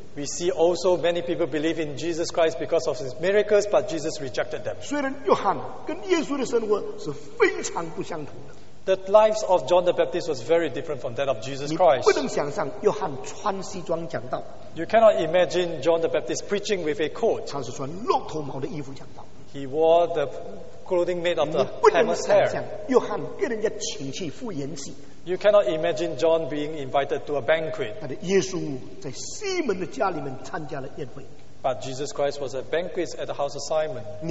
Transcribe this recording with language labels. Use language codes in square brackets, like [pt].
[en] We see also many people believe in Jesus Christ because of his miracles, but Jesus rejected them. [zh] 虽然约翰跟耶稣的生活是非常不相同的。 [en] The lives of John the Baptist was very different from that of Jesus Christ. [zh] 你不能想象约翰穿西装讲道。 [en] You cannot imagine John the Baptist preaching with a coat. [zh] 他是穿骆驼毛的衣服讲道。 [en] He wore the clothing made of the camel's hair. [zh] 你不能想象约翰跟人家请去赴筵席。 [en] You cannot imagine John being invited to a banquet. But Jesus Christ was at banquets at the house of Simon.